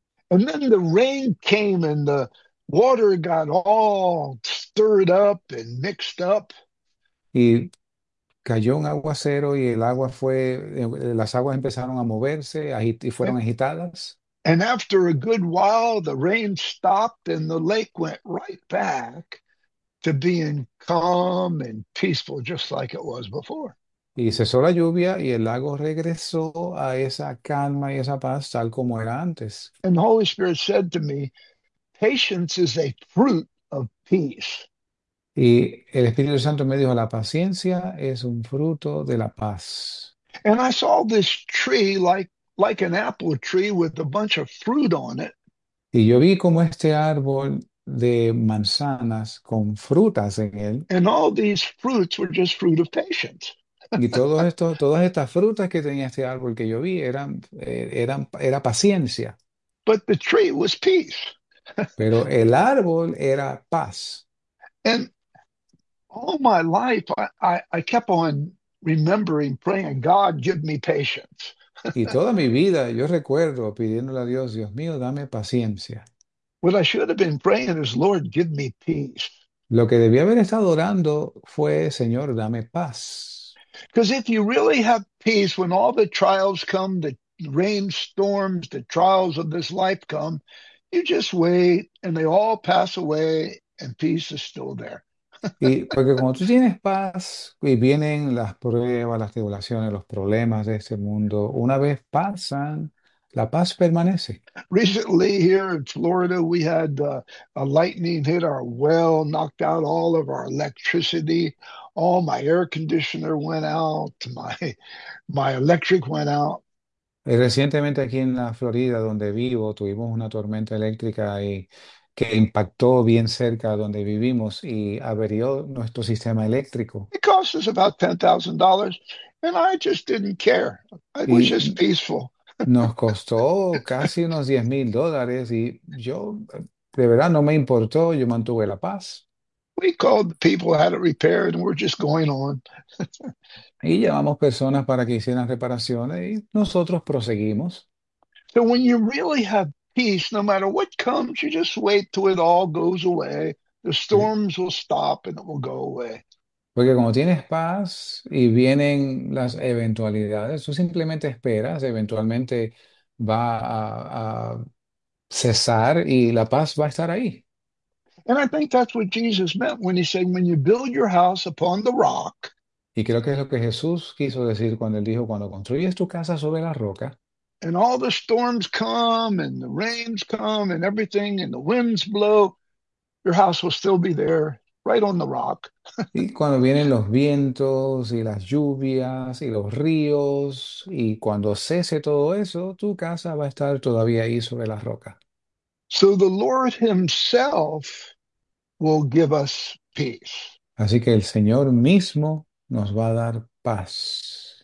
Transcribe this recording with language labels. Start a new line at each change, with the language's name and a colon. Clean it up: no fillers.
English: And then the rain came and the water got all stirred up and mixed up.
Spanish: Y cayó un aguacero y el agua fue, las aguas empezaron a moverse, y fueron agitadas.
English: And after a good while, the rain stopped and the lake went right back to being calm and peaceful, just like it was before.
Spanish: Y cesó la lluvia y el lago regresó a esa calma y esa paz tal como era antes.
English: And the Holy Spirit said to me, patience is a fruit of peace.
Spanish: Y el Espíritu Santo me dijo, la paciencia es un fruto de la paz.
English: And I saw this tree like an apple tree with a bunch of fruit on it.
Spanish: Y yo vi como este árbol de manzanas con frutas en él.
English: And all these fruits were just fruit of patience.
Spanish: Y todas estas frutas que tenía este árbol que yo vi era paciencia.
English: But the tree was peace.
Spanish: Pero el árbol era paz.
English: And all my life, I kept on remembering, praying, God, give me patience.
Spanish: Y toda mi vida yo recuerdo pidiéndole a Dios, Dios mío, dame paciencia.
English: What I should have been praying is, Lord, give me peace.
Spanish: Lo que debía haber estado orando fue, Señor, dame paz.
English: Because if you really have peace, when all the trials come, the rain storms, the trials of this life come, you just wait and they all pass away and peace is still there.
Spanish: Y porque cuando tú tienes paz y vienen las pruebas, las tribulaciones, los problemas de este mundo, una vez pasan, la paz permanece.
English: Recently, here in Florida, we had a lightning hit our well, knocked out all of our electricity. All my air conditioner went out. My electric went out.
Spanish: Recientemente aquí en la Florida, donde vivo, tuvimos una tormenta eléctrica y que impactó bien cerca donde vivimos y averió nuestro sistema eléctrico.
English: It cost us about $10,000, and I just didn't care. I was just
Spanish: Y
English: peaceful.
Spanish: nos costó casi unos 10 mil dólares y yo de verdad no me importó, yo mantuve la paz.
English: We called the people, had it repaired, and we're just going on.
Spanish: Y llamamos personas para que hicieran reparaciones y nosotros proseguimos.
English: So when you really have peace, no matter what comes, you just wait till it all goes away. The storms will stop and it will go away.
Spanish: Porque como tienes paz y vienen las eventualidades, tú simplemente esperas, eventualmente va a cesar y la paz va a estar ahí.
English: And I think that's what Jesus meant when he said, when you build your house upon the rock,
Spanish: Y creo que es lo que Jesús quiso decir cuando él dijo, cuando construyes tu casa sobre la roca.
English: and all the storms come and the rains come and everything and the winds blow, your house will still be there, right on the rock.
Spanish: Y cuando vienen los vientos y las lluvias y los ríos y cuando cese todo eso, tu casa va a estar todavía ahí sobre la roca.
English: So the Lord Himself will give us peace.
Spanish: Así que el Señor mismo nos va a dar paz.